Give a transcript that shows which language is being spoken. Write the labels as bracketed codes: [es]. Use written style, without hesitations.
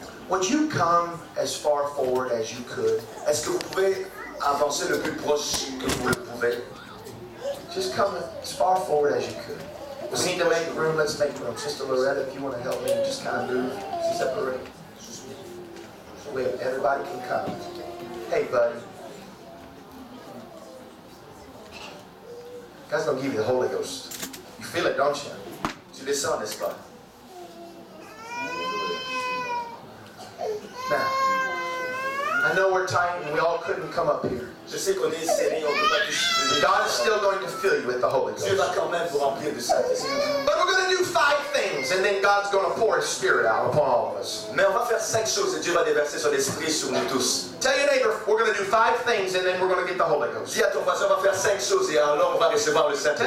[en] Would you come as far forward as you could? [fr] Est-ce que vous pouvez avancer le plus proche que vous le pouvez? [en] Just come as far forward as you could. We need to make room, let's make room. Sister Loretta, if you want to help me, just kind of move, separate. So we have, everybody can come. Hey, buddy. God's going to give you the Holy Ghost. You feel it, don't you? [fr] Tu le sens, n'est-ce pas? [en] Now, I know we're tight and we all couldn't come up here. [fr] Je sais qu'on est serré, on peut pas toucher. [en] God is still going to fill you with the Holy Ghost. [fr] Dieu va quand même vous remplir du Saint-Esprit. [en] But we're going to do 5 things and then God's going to pour His Spirit out upon all of us. [fr] Mais on va faire 5 choses et Dieu va déverser son esprit sur nous tous. [en] Tell your neighbor, we're going to do 5 things and then we're going to get the Holy Ghost. [fr] Dis à ton voisin, on va faire 5 choses et alors on va recevoir le Saint-Esprit.